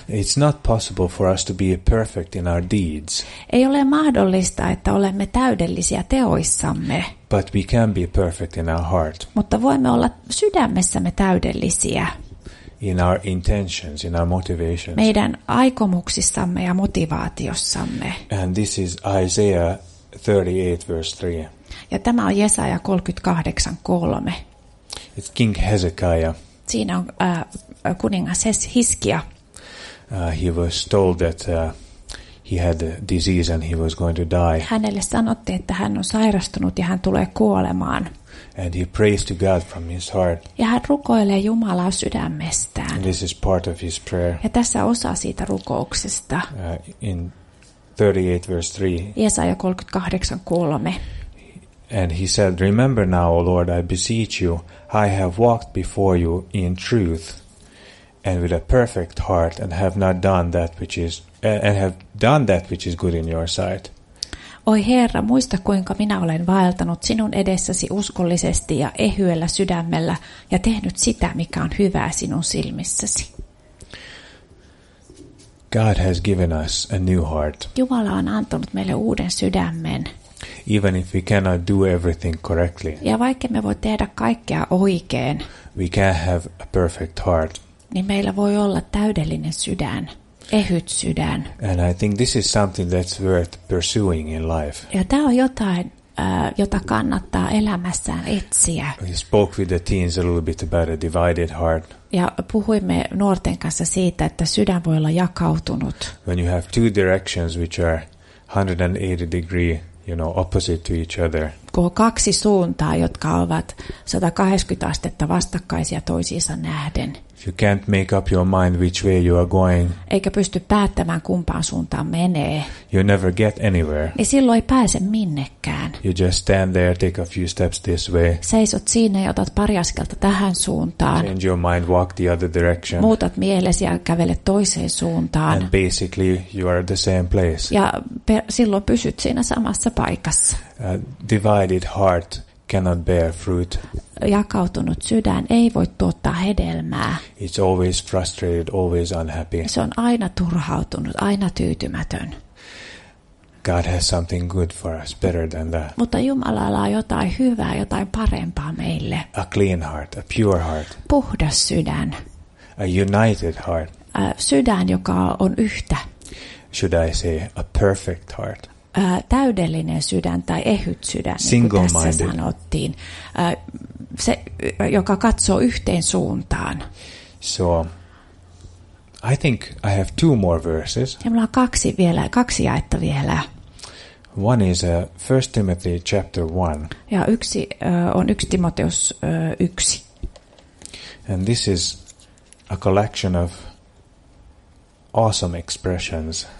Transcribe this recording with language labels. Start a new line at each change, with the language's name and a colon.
English: It's not possible for us to be perfect in our deeds.
Finnish: Ei ole mahdollista, että olemme täydellisiä teoissamme.
English: But we can be perfect in our heart.
Finnish: Mutta voimme olla sydämessämme täydellisiä.
English: In our intentions, in our motivations.
Finnish: Meidän aikomuksissamme ja motivaatiossamme.
English: And this is Isaiah 38 verse 3.
Finnish: Ja tämä on Jesaja 38:3.
English: It's King Hezekiah.
Finnish: Siinä on kuningas Hiskia.
English: He was told that he had a disease and he was going to die.
Finnish: Hänelle sanottiin, että hän on sairastunut ja hän tulee kuolemaan.
English: And he prays to God from his heart.
Finnish: Ja hän rukoilee Jumalaa sydämestään.
English: And this is part of his prayer.
Finnish: Ja tässä osa siitä rukouksesta.
English: In 38 verse 3.
Finnish: Jesaja 38:3.
English: And he said, "Remember now, O Lord, I beseech you, I have walked before you in truth and with a perfect heart and have not done that which is and have done that which is good in your sight."
Finnish: Oi Herra, muista kuinka minä olen vaeltanut sinun edessäsi uskollisesti ja ehyellä sydämellä ja tehnyt sitä, mikä on hyvää sinun silmissäsi.
English: God has given us a new heart.
Finnish: Jumala on antanut meille uuden sydämen.
English: Even if we cannot do everything correctly.
Finnish: Ja vaikka me voi tehdä kaikkea oikein.
English: We can have a perfect heart.
Finnish: Niin meillä voi olla täydellinen sydän. Ehyt sydän.
English: And I think this is something that's worth pursuing in life.
Finnish: Ja tämä on jotain, jota kannattaa elämässään etsiä.
English: We spoke with the teens a little bit about a divided heart.
Finnish: Ja puhuimme nuorten kanssa siitä, että sydän voi olla jakautunut.
English: When you have two directions which are 180 degree, you know, opposite to each other.
Finnish: Kun on kaksi suuntaa, jotka ovat 180 astetta vastakkaisia toisiinsa nähden.
English: You can't make up your mind which way you are going.
Finnish: Eikä pysty päättämään kumpaan suuntaan menee.
English: You never get anywhere.
Finnish: Niin silloin ei pääse minnekään.
English: You just stand there, take a few steps this way.
Finnish: Seisot siinä ja otat pari askelta tähän suuntaan.
English: Change your mind, walk the other direction.
Finnish: Muutat mielesi ja kävelet toiseen suuntaan.
English: And basically you are at the same place.
Finnish: Ja silloin pysyt siinä samassa paikassa.
English: A divided heart cannot bear fruit.
Finnish: Jakautunut sydän ei voi tuottaa hedelmää.
English: It's always frustrated, always unhappy.
Finnish: Se on aina turhautunut, aina tyytymätön.
English: God has something good for us, better than that.
Finnish: Mutta Jumalalla on jotain hyvää, jotain parempaa meille.
English: A clean heart, a pure heart.
Finnish: Puhdas sydän.
English: A united heart.
Finnish: Sydän, joka on yhtä.
English: Should I say a perfect heart?
Finnish: Täydellinen sydän tai ehyt sydän, niin kuin tässä sanottiin, se, joka katsoo yhteen suuntaan.
English: So, I think I have two more verses.
Finnish: Ja mulla on kaksi jaetta vielä.
English: One is 1 Timothy chapter 1.
Finnish: Ja yksi on 1 Timoteus 1.
English: And this is a collection of awesome expressions.